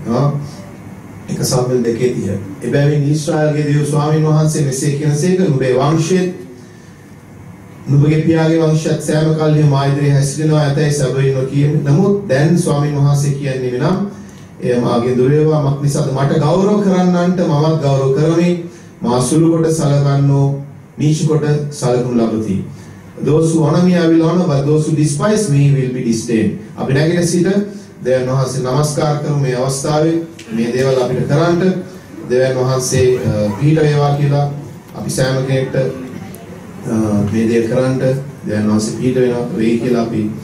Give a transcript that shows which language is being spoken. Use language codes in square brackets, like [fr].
[si] ආ 1 සම්මෙල 2:30. එබැවින් ඊශ්‍රායෙල්ගේ දේව ස්වාමීන් වහන්සේ මෙසේ කියනසේක නුඹේ වංශයේ නුඹගේ පියාගේ වංශයත් සෑම කල්හි මා ඉදිරියේ හැසිරෙනවා ඇතැයි සැබවින්ම කියන්නේ. නමුත් දැන් ස්වාමීන් වහන්සේ කියන්නේ වෙනම් එය මාගේ දුර්වේවාමක් නිසාද මට ගෞරව කරන්නන්ට මමත් ගෞරව කරමි. මා සුළු කොට සලකන්නෝ නීච කොට සලකනු ලබති. [en] those who honor me, I will honor, but those who despise me will be disdained. [si] අපි නැගෙන සිට දෙවියන් වහන්සේ නමස්කාර කරමු මේ අවස්ථාවේ මේ දේවල් අපිට කරන්න දෙවියන් වහන්සේ පිහිට වේවා කියලා අපි සෑම කෙනෙක්ට මේ දේ කරන්න දෙවියන් වහන්සේ පිහිට වේවා කියලා අපි